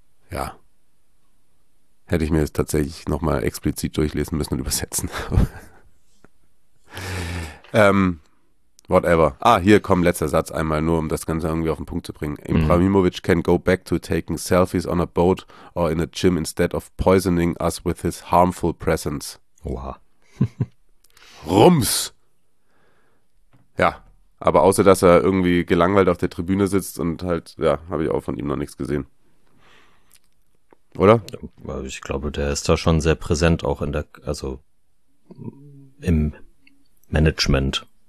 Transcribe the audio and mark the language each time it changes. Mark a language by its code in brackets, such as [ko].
[de] Ja. Hätte ich mir das tatsächlich nochmal explizit durchlesen müssen und übersetzen. Whatever. Ah, hier kommt letzter Satz einmal, nur um das Ganze irgendwie auf den Punkt zu bringen. [en] Ibrahimovic can go back to taking selfies on a boat or in a gym instead of poisoning us with his harmful presence. [de] Oha. Rums! Ja, aber außer dass er irgendwie gelangweilt auf der Tribüne sitzt und halt, ja, habe ich auch von ihm noch nichts gesehen. Oder? Ich glaube, der ist da schon sehr präsent, auch in der, also im Management.